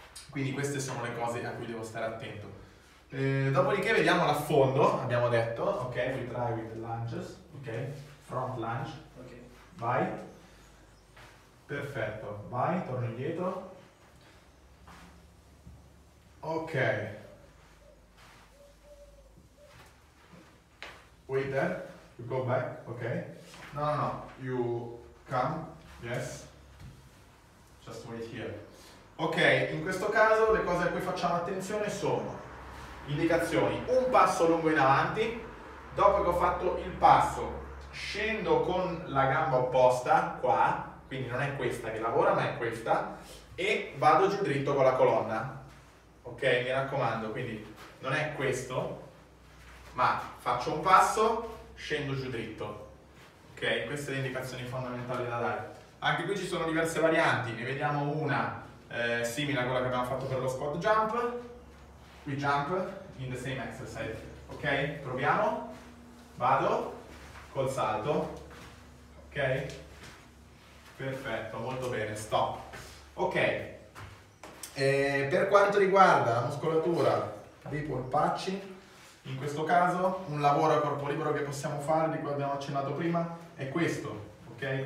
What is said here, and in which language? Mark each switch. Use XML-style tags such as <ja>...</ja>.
<it>Quindi queste sono le cose a cui devo stare attento. Dopodiché vediamo l'affondo, abbiamo detto, ok?</it> <en>We try with lunges, ok? Front lunge, ok?</en> <it>Vai, perfetto, vai, torno indietro.</it> <en>Ok, wait there, you go back, ok? No, no, no, you come, yes, just wait here.</en> <it>Ok, in questo caso le cose a cui facciamo attenzione sono indicazioni: un passo lungo in avanti, dopo che ho fatto il passo scendo con la gamba opposta qua, quindi non è questa che lavora ma è questa, e vado giù dritto con la colonna. Ok, mi raccomando, quindi non è questo, ma faccio un passo, scendo giù dritto. Ok, queste sono le indicazioni fondamentali da dare. Anche qui ci sono diverse varianti, ne vediamo una simile a quella che abbiamo fatto per lo squat jump.</it> <en>We jump in the same exercise.</en> <it>Ok, proviamo. Vado col salto. Ok, perfetto, molto bene, stop. Ok. Per quanto riguarda la muscolatura dei polpacci, in questo caso un lavoro a corpo libero che possiamo fare, di cui abbiamo accennato prima, è questo, ok?</it>